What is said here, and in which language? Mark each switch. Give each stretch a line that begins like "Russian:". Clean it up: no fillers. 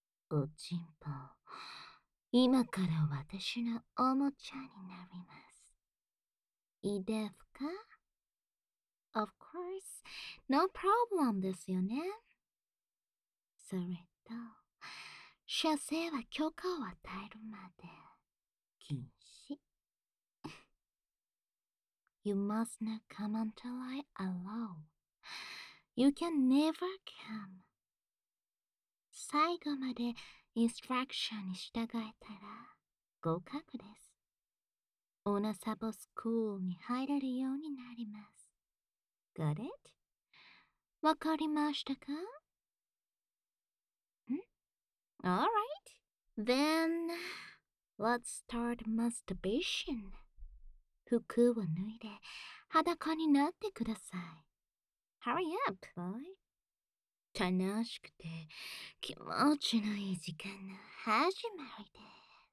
Japanese: おちんぽ、今から私のおもちゃになります。いいですか?
English: Of course, no problem
Japanese: ですよね。それと、射精は許可を与えるまで禁止。
English: You must not come until I allow. You can never come.
Japanese: 最後までインストラクションに従えたら合格です。オナサボスクールに入れるようになります。
English: Got it?
Japanese: わかりましたか?
English: Alright. Then, let's start masturbation.
Japanese: 服を脱いで裸になってください。
English: Hurry up, boy.
Japanese: 楽しくて気持ちのいい時間の始まりです。